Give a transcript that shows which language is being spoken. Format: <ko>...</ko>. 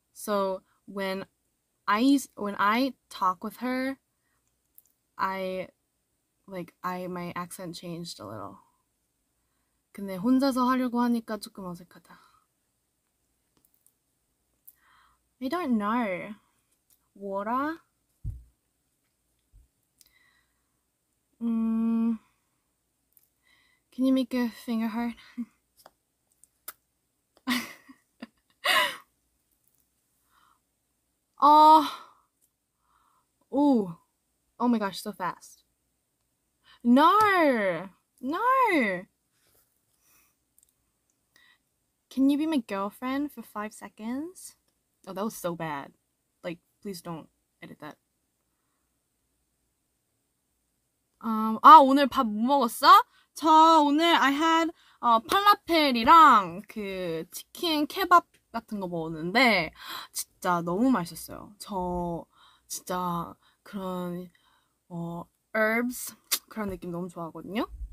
<en>So when I talk with her, my accent changed a little.</en> <ko>근데 혼자서 하려고 하니까 조금 어색하다.</ko> <en>I don't know. 워라? 'Can you make a finger heart? 오 마이 갓, so fast. No. No. Can you be my girlfriend for 5 seconds? Oh, that was so bad. Like, please don't edit that.</en> <ko>아, 오늘 밥뭐 먹었어? 저 오늘</ko> <en>I had</en> <ko>팔라펠이랑 그 치킨 케밥 같은 거 먹었는데 진짜 너무 맛있었어요. 저 진짜 그런 herbs 그런 느낌 너무 좋아하거든요.</ko>